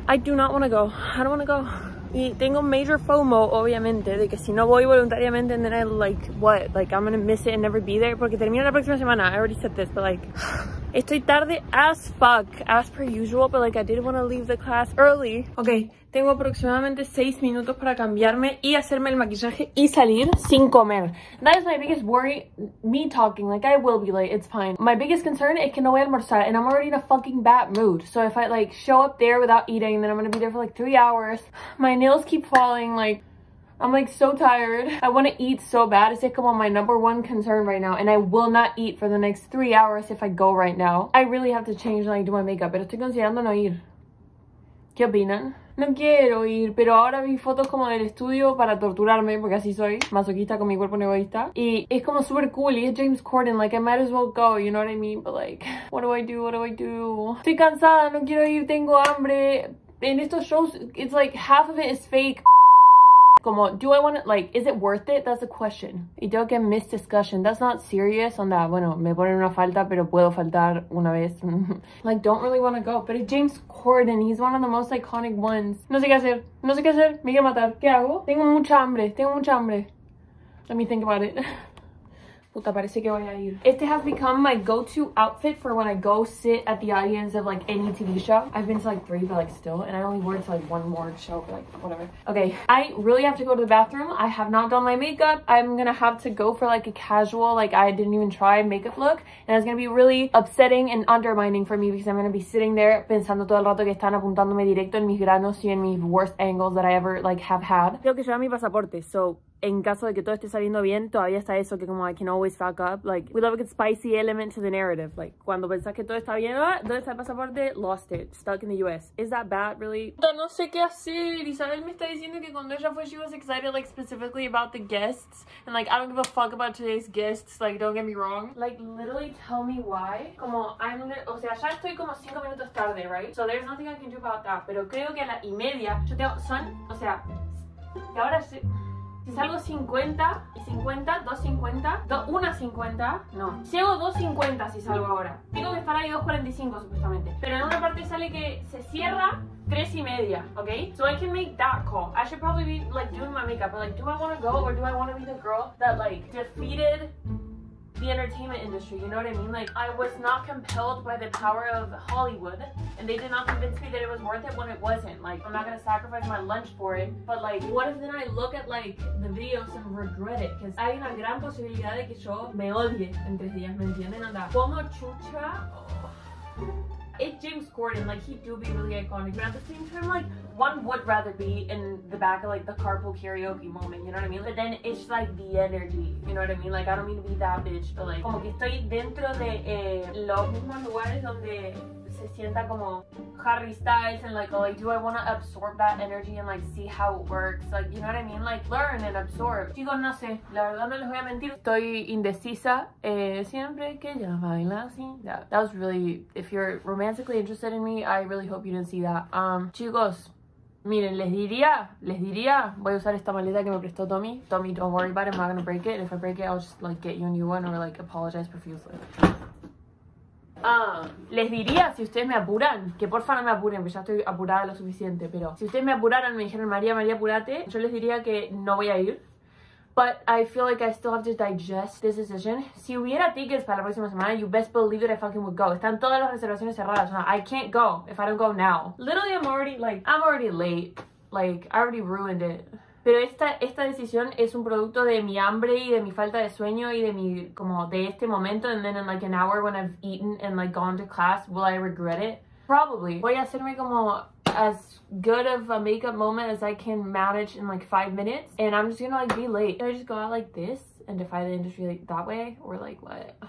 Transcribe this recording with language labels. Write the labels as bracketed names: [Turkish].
[English] I do not want to go, I don't want to go. [Spanish] Y tengo major FOMO, obviamente, de que si no voy voluntariamente, [English] and then I, like, what? Like, I'm gonna miss it and never be there. [Spanish] Porque termino la próxima semana. [English] I already said this, but, like, [Spanish] estoy tarde [English] as fuck, as per usual, but, like, I did want to leave the class early. [Spanish] Okay, tengo aproximadamente 6 minutos para cambiarme y hacerme el maquillaje y salir sin comer. [English] That is my biggest worry, me talking, like, I will be late, it's fine. My biggest concern is [Spanish] que no voy a almorzar, [English] and I'm already in a fucking bad mood. So if I, like, show up there without eating, then I'm gonna be there for, like, 3 hours. My nails keep falling, like, I'm, like, so tired. I want to eat so bad. It's, like, come on, my number one concern right now. And I will not eat for the next 3 hours if I go right now. I really have to change, like, do my makeup. [Spanish] Pero estoy considerando no ir. ¿Qué opinan? No quiero ir, pero ahora vi fotos como del estudio para torturarme, porque así soy, masoquista con mi cuerpo egoísta. Y es como super cool, y es James Corden, [English] like, I might as well go, you know what I mean? But, like, what do I do, what do I do? [Spanish] Estoy cansada, no quiero ir, tengo hambre. En estos shows, [English] it's, like, half of it is fake. Como, do I want it, like, is it worth it? That's the question. [Spanish] Y tengo que [English] miss discussion. That's not serious. [Spanish] Onda, bueno, me ponen una falta, pero puedo faltar una vez. [English] Like, don't really want to go. But James Corden, he's one of the most iconic ones. [Spanish] No sé qué hacer. No sé qué hacer. Me quiero matar. ¿Qué hago? Tengo mucha hambre. Tengo mucha hambre. [English] Let me think about it. [Spanish] Puta, parece que voy a ir. [English] Este has become my go-to outfit for when I go sit at the audience of like any TV show. I've been to like 3, but like still, and I only wore it to like 1 more show, but like whatever. Okay, I really have to go to the bathroom. I have not done my makeup. I'm gonna have to go for like a casual, like I didn't even try makeup look, and it's gonna be really upsetting and undermining for me because I'm gonna be sitting there [Spanish] pensando todo el rato que están apuntándome directo en mis [English] granos y en mis worst angles that I ever like have had. [Spanish] Tengo que llevar mi pasaporte, so. En caso de que todo esté saliendo bien, todavía está eso que como [English] I can always fuck up. Like, we love a good spicy element to the narrative. Like, [Spanish] cuando pensás que todo está bien, ¿dónde está el pasaporte? [English] Lost it. Stuck in the US. Is that bad, really? [Spanish] No sé qué hacer. Isabel me está diciendo que cuando ella fue, [English] she was excited, like, specifically about the guests. And, like, I don't give a fuck about today's guests. Like, don't get me wrong. Like, literally tell me why. Como, I'm... [Spanish] O sea, ya estoy como 5 minutos tarde, right? [English] So there's nothing I can do about that. [Spanish] Pero creo que a la y media... Yo tengo... Son... O sea... Y ahora sí... Si salgo 50 y 50, 2:50, 1:50, no. Si hago 2:50 si salgo ahora. Tengo que estar ahí 2:45 supuestamente. Pero en una parte sale que se cierra 3:30, ¿ok? [English] So I can make that call. I should probably be like doing my makeup, but like, do I want to go or do I want to be the girl that like defeated the entertainment industry? You know what I mean? Like, I was not compelled by the power of Hollywood, and they did not convince me that it was worth it when it wasn't. Like, I'm not gonna sacrifice my lunch for it, but like, what if then I look at like the videos and regret it? [Spanish] Because hay una gran posibilidad de que yo me odie en 3 días, ¿me entienden? Anda, como chucha. [English] It's James Corden, like, he do be really iconic, but at the same time, like, one would rather be in the back of, like, the carpool karaoke moment, you know what I mean? But then it's, like, the energy, you know what I mean? Like, I don't mean to be that bitch, but, like, [Spanish] como que estoy dentro de los mismos lugares donde se sienta como [English] Harry Styles, and, like, oh, like, do I want to absorb that energy and, like, see how it works? Like, you know what I mean? Like, learn and absorb. [Spanish] Chicos, no sé, la verdad no les voy a mentir. Estoy indecisa siempre que ya baila así. [English] Yeah, that was really, if you're romantically interested in me, I really hope you didn't see that. [Spanish] Chicos. Miren, les diría, voy a usar esta maleta que me prestó Tommy. [English] Tommy, don't worry about it, I'm not gonna break it. And if I break it, I'll just like get you a new one or like apologize profusely. [Spanish] Les diría, si ustedes me apuran, que porfa no me apuren, porque ya estoy apurada lo suficiente. Pero si ustedes me apuraran, me dijeron María, apúrate, yo les diría que no voy a ir. [English] But I feel like I still have to digest this decision. [Spanish] Si hubiera tickets para la próxima semana, [English] you best believe that I fucking would go. [Spanish] Están todas las reservaciones cerradas. [English] No, I can't go if I don't go now. Literally, I'm already late. Like, I already ruined it. [Spanish] Pero esta decisión es un producto de mi hambre y de mi falta de sueño y de mi, como, de este momento. [English] And then in like an hour when I've eaten and like gone to class, will I regret it? Probably. [Spanish] Voy a hacerme como [English] as good of a makeup moment as I can manage in like 5 minutes, and I'm just gonna like be late. Can I just go out like this and defy the industry like that way, or like what?